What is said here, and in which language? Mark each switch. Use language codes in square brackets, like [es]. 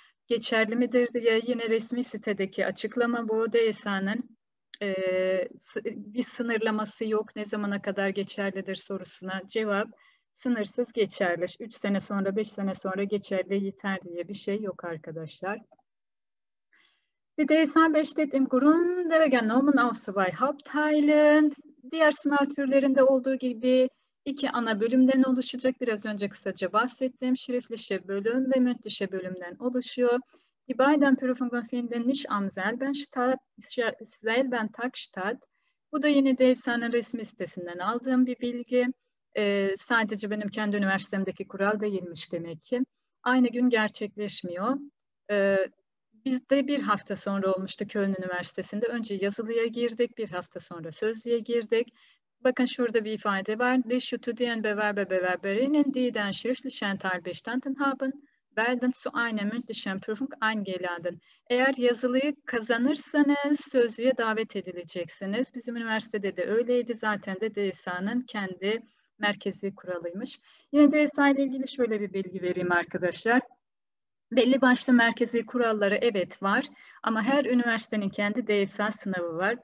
[tr] geçerli midir diye yine resmi sitedeki açıklama bu. DSA'nın bir sınırlaması yok. Ne zamana kadar geçerlidir sorusuna cevap sınırsız geçerli. 3 sene sonra, 5 sene sonra geçerli yeter diye bir şey yok arkadaşlar. [de] Die DSA 5 dediğim Grund der Genomen Auswahl Hauptteilen. [tr] Diğer sınav türlerinde olduğu gibi iki ana bölümden oluşacak. Biraz önce kısaca bahsettiğim Schriftliche bölüm ve Mündliche bölümden oluşuyor. [de] Die beiden Prüfungen finden nicht am selben Tag statt. [tr] Bu da yine DSA'nın resmi sitesinden aldığım bir bilgi. Sadece benim kendi üniversitemdeki kural değilmiş demek ki. Aynı gün gerçekleşmiyor. Bizde bir hafta sonra olmuştu Köln Üniversitesi'nde. Önce yazılıya girdik, bir hafta sonra sözlüye girdik. Bakın şurada bir ifade var. [de] Die Studierenden bewerberinnen, die den schriftlichen Teil bestanden haben, werden zu einer mündlichen Prüfung eingeladen. [tr] Eğer yazılıyı kazanırsanız sözlüye davet edileceksiniz. Bizim üniversitede de öyleydi. Zaten de DSA'nın kendi merkezi kuralıymış. Yine DSA ile ilgili şöyle bir bilgi vereyim arkadaşlar. Belli başlı merkezi kuralları evet var ama her üniversitenin kendi DSA sınavı var.